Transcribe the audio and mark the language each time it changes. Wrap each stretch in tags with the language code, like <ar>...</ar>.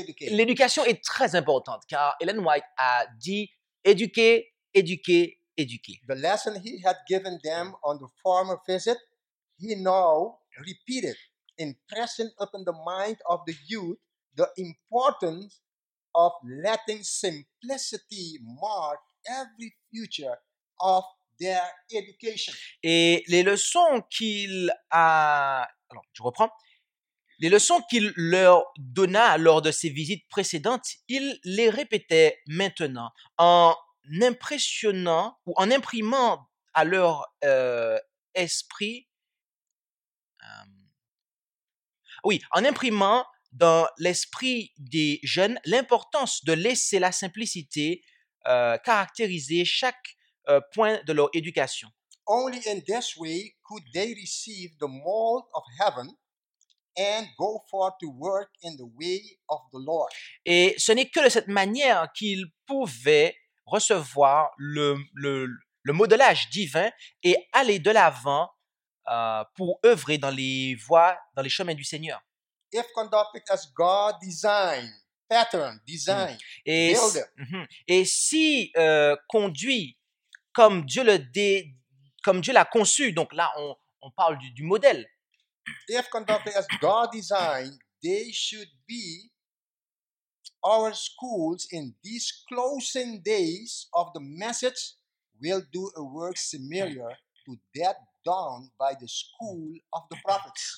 <fr>L'éducation est très importante car Ellen White a dit éduquer.</fr> <en>The lesson he had given them on the former visit, he now repeated, impressing upon the mind of the youth the importance of letting simplicity mark every future of their education.</en> <fr>Et les leçons qu'il a. Alors, je reprends. Les leçons qu'il leur donna lors de ses visites précédentes, il les répétait maintenant en imprimant à leur esprit, en imprimant dans l'esprit des jeunes l'importance de laisser la simplicité caractériser chaque point de leur éducation.</fr> <en>Only in this way could they receive the mold of heaven. And go forth to work in the way of the Lord.</en> <fr>Et ce n'est que de cette manière qu'ils pouvaient recevoir le modelage divin et aller de l'avant pour œuvrer dans les voies, dans les chemins du Seigneur.</fr> <en>If conducted as God design, pattern, design, builder.</en> <fr>Et si conduit comme Dieu comme Dieu l'a conçu, donc là on parle du modèle.</fr> <en>If conducted as God designed, they should be our schools in these closing days of the message will do a work similar to that done by the school of the prophets.</en>